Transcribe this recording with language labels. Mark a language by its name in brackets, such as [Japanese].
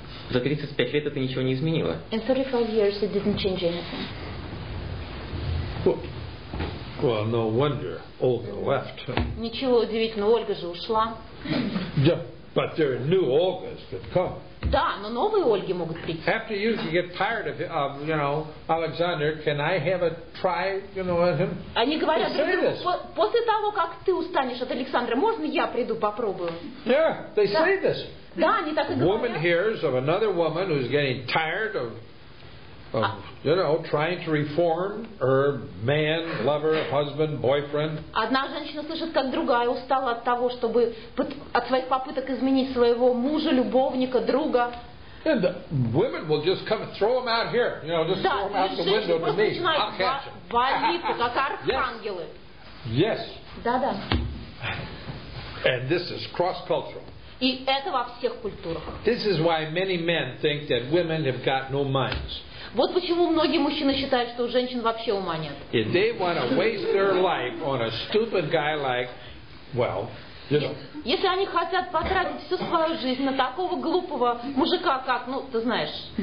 [Russian] За 35 лет это ничего не изменило. [English] In 35 years it didn't change anything. Well, no wonder Olga left. [Russian] Ничего удивительного, Ольга же ушла. [English] Yeah. But there are new Olgas that come. [Russian] Да, но новые Ольги могут прийти. [English] After you can get tired of, you know, Alexander, can I have a try, you know, at him? [Russian] Они говорят, друг другу, после того, как ты устанешь от Александра, можно я приду, попробую? [English] Yeah, they say this. [Russian] Да, они так и говорят. [English] Woman hears of another woman who's getting tired of, you know, trying to reform her man, lover, husband, boyfriend. [Russian] Одна женщина слышит, как другая устала от того, чтобы от своих попыток изменить своего мужа, любовника, друга. [English] And the women will just come and throw them out here, you know, just throw them out the window to me. I'll catch them. [Russian] Валиться, как архангелы. [English] Yes. [Russian] Да-да. [English] And this is cross-cultural. [Russian] И это во всех культурах. [English] This is why many men think that women have got no minds. [Russian] Вот почему многие мужчины считают, что у женщин вообще ума нет. [English] If they want to waste their life on a stupid guy like, well, you know. [Russian] Если они хотят потратить всю свою жизнь на такого глупого мужика, как, ну, ты знаешь.